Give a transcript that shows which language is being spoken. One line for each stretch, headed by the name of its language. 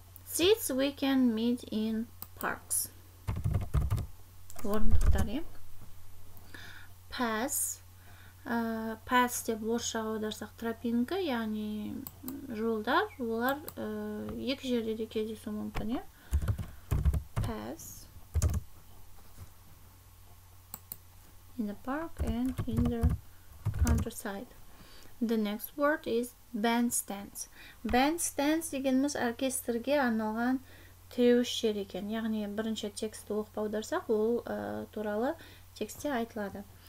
English: Seats we can meet in parks.
Kazakh: Орындықтар,
English: pass.
Kazakh: Pass деп орысшаға аударсақ тропинка, яғни жолдар, олар екі жерде де кездесуі мүмкін.
English: Pass. In the park and in the countryside. The next word is bandstands.
Kazakh: Bandstands дегеніміз оркестрге арналған тіреуіш жер екен. Яғни бірінші текстті оқып аударсақ, ол туралы текстте айтылады.